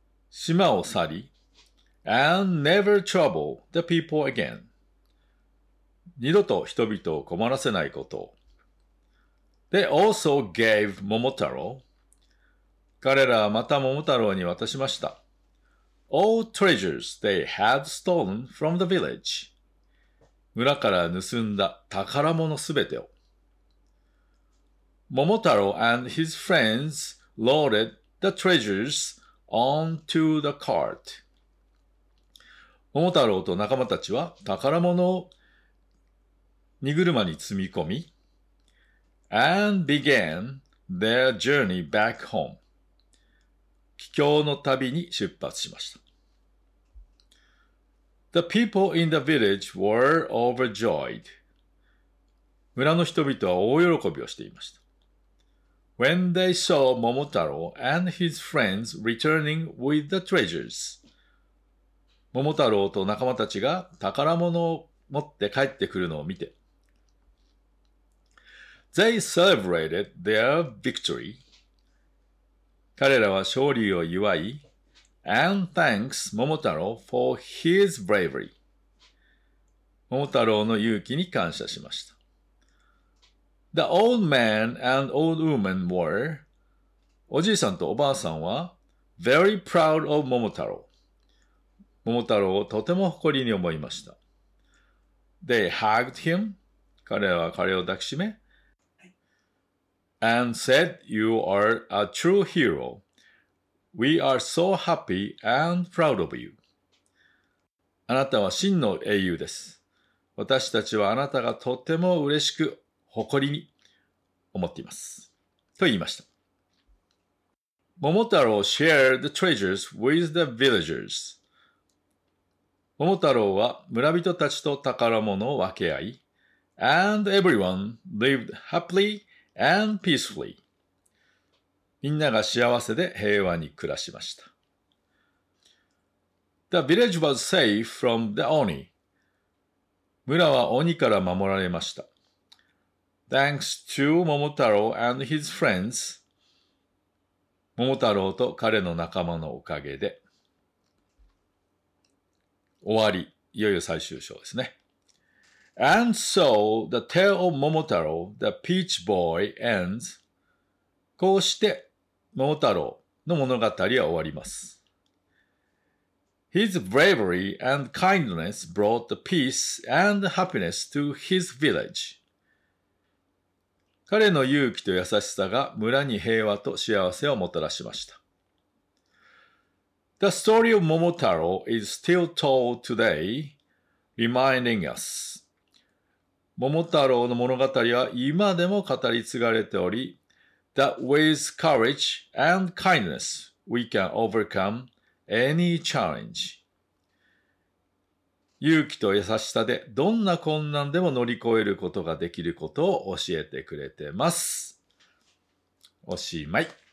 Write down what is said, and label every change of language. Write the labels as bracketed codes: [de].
[ja] 島を去り。 [en] And never trouble the people again. [ja] 二度と人々を困らせないこと。 [en] They also gave Momotaro. [ja] 彼らはまた桃太郎に渡しました。 [en] All treasures they had stolen from the village. [ja] 村から盗んだ宝物すべてを。 [en] Momotaro and his friends loaded the treasures onto the cart. [ja] 桃太郎と仲間たちは宝物を荷車に積み込み、 [en] and began their journey back home. [ja] 帰郷の旅に出発しました。 [en] The people in the village were overjoyed. [ja] 村の人々は大喜びをしていました。 [en] When they saw Momotaro and his friends returning with the treasures. [ja] 桃太郎と仲間たちが宝物を持って帰ってくるのを見て。 [en] They celebrated their victory. [ja] 彼らは勝利を祝い、 [en] and thanks Momotaro for his bravery. [ja] 桃太郎の勇気に感謝しました。 [en] The old man and old woman were, [ja] おじいさんとおばあさんは、 [en] very proud of Momotaro. [ja] 桃太郎をとても誇りに思いました。 [en] They hugged him. [ja] 彼は彼を抱きしめ、 [en] and said, you are a true hero. We are so happy and proud of you. [ja] あなたは真の英雄です。私たちはあなたがとても嬉しく、誇りに思っています。と言いました。 [en] Momotaro shared the treasures with the villagers. [ja] 桃太郎は村人たちと宝物を分け合い、 [en] and everyone lived happily and peacefully. [ja] みんなが幸せで平和に暮らしました。 [en] The village was safe from the Oni. [ja] 村は鬼から守られました。 [en] Thanks to Momotaro and his friends. [ja] 桃太郎と彼の仲間のおかげで。終わり。いよいよ最終章ですね。 [en] And so the tale of Momotaro, the peach boy, ends. [ja] こうして桃太郎の物語は終わります。 [en] His bravery and kindness brought the peace and happiness to his village. [ja] 彼の勇気と優しさが村に平和と幸せをもたらしました。 [en] The story of Momotaro is still told today, reminding us. [ja] 桃太郎の物語は今でも語り継がれており、 [en] that with courage and kindness we can overcome any challenge. [ja] 勇気と優しさでどんな困難でも乗り越えることができることを教えてくれてます。おしまい。